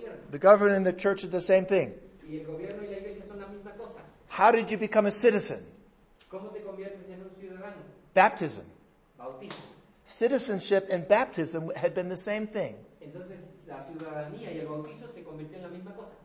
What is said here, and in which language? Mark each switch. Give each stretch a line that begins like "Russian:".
English: The government and the church are the same thing.
Spanish: Y el gobierno y la iglesia son la misma cosa.
English: How did you become a citizen?
Spanish: ¿Cómo te conviertes en un ciudadano?
English: Baptism.
Spanish: Bautismo.
English: Citizenship and baptism had been the same thing.
Spanish: Entonces, la ciudadanía y el bautismo se convirtió en la misma cosa.